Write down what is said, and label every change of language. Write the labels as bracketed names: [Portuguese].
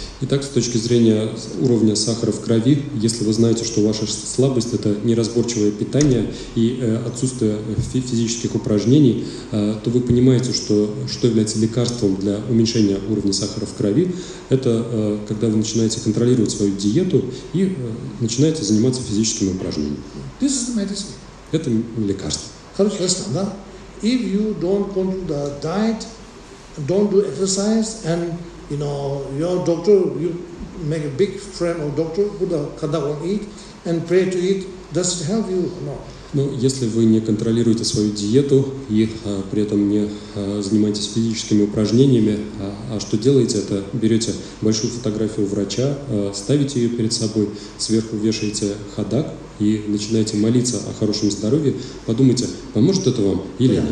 [Russian] Итак, с точки зрения уровня сахара в крови, если вы знаете, что ваша слабость – это неразборчивое питание и отсутствие физических упражнений, то вы понимаете, что является лекарством для уменьшения уровня сахара в крови. Это когда вы начинаете контролировать свою диету и начинаете заниматься физическими упражнениями. [English] This is the medicine. [Russian] Это лекарство. Хорошо, ясно, да? [English] If you don't control the diet, don't do exercise and you know, your doctor, you make a big friend of doctor, put a kadak on it and pray to it. Does it help you or not? [Russian] Но если вы не контролируете свою диету и при этом не занимаетесь физическими упражнениями, а что делаете, это берете большую фотографию врача, ставите ее перед собой, сверху вешаете хадак и начинаете молиться о хорошем здоровье, подумайте, поможет это вам или нет.